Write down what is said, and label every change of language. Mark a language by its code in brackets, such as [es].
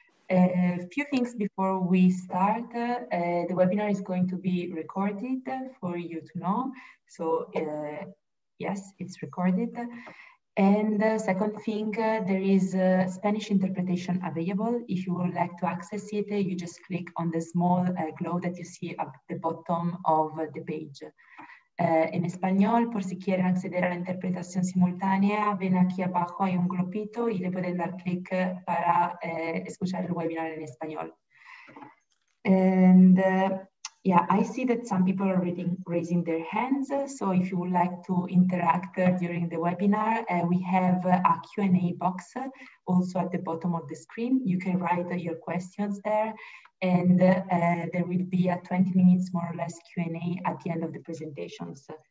[en] A few things before we start. The webinar is going to be recorded for you to know. So yes, it's recorded. And the second thing, there is a Spanish interpretation available. If you would like to access it, you just click on the small globe that you see at the bottom of the page. [es] En español, por si quieren acceder a la interpretación simultánea, ven aquí abajo, hay un globito y le pueden dar clic para escuchar el webinar en español. [en] And yeah, I see that some people are raising their hands. So if you would like to interact during the webinar, we have a Q&A box also at the bottom of the screen. You can write your questions there. And there will be a 20 minutes more or less Q&A at the end of the presentations.